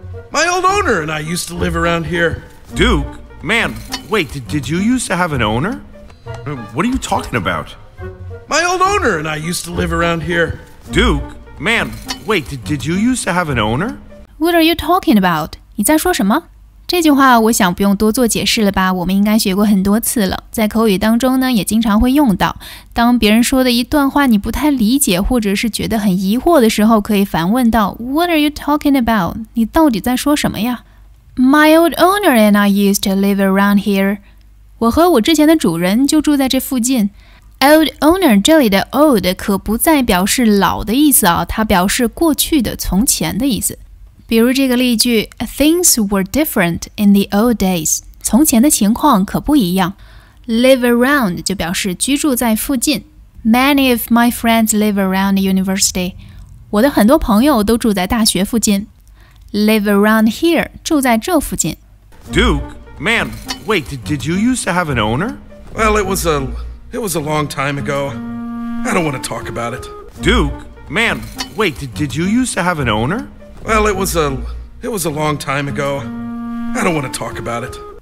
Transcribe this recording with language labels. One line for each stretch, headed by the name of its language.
English: My old owner and I used to live around here. DukeMan, wait, did you used to have an owner? What are you talking about? My old owner and I used to live around here. Duke, man, wait, did you used to have an owner? What are you talking about?
Chinese: 你在说什么？这句话我想不用多做解释了吧，我们应该学过很多次了，在口语当中呢也经常会用到。当别人说的一段话你不太理解或者是觉得很疑惑的时候，可以反问到
English: What are you talking about?
Chinese: 你到底在说什么呀？
English: My old owner and I used to live around here.
Chinese: 我和我之前的主人就住在这附近。 Old owner 这里的 old 可不再表示老的意思啊，它表示过去的、从前的意思。比如这个例句
English: Things were different in the old days.
Chinese: 从前的情况可不一样。 Live around 就表示居住在附近。
English: Many of my friends live around the university.
Chinese: 我的很多朋友都住在大学附近。
English: Live around here,
Chinese: 住在这附近。
English: Duke, man, wait, did you used to have an owner? Well, it was a long time ago. I don't want to talk about it. Duke, man, wait, did you used to have an owner? Well, it was a long time ago. I don't want to talk about it.